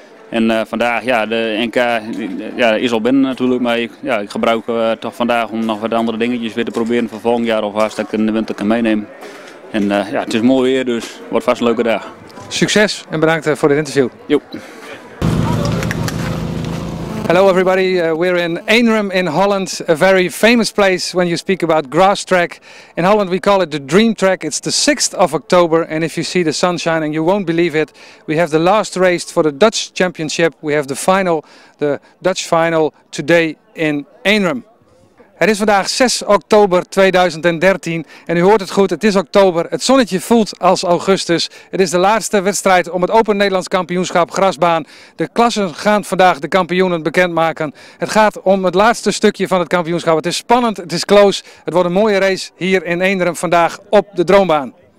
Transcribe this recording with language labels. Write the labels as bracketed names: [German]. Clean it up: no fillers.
[Dutch] En vandaag, ja, de NK ja, is al binnen natuurlijk. Maar ik gebruik toch vandaag om nog wat andere dingetjes weer te proberen voor volgend jaar. Of vast dat ik in de winter kan meenemen. En het is mooi weer, dus het wordt vast een leuke dag. Succes en bedankt voor dit interview. Jo. [English] Hello everybody, we're in Eendrum in Holland, a very famous place when you speak about grass track. In Holland we call it the dream track, it's the 6th of October and if you see the sun shining you won't believe it. We have the last race for the Dutch championship, we have the final, the Dutch final today in Eendrum. [Dutch] Het is vandaag 6 oktober 2013 en u hoort het goed, het is oktober, het zonnetje voelt als augustus. Het is de laatste wedstrijd om het Open Nederlands Kampioenschap Grasbaan. De klassen gaan vandaag de kampioenen bekendmaken. Het gaat om het laatste stukje van het kampioenschap. Het is spannend, het is close, het wordt een mooie race hier in Eendrum vandaag op de Droombaan.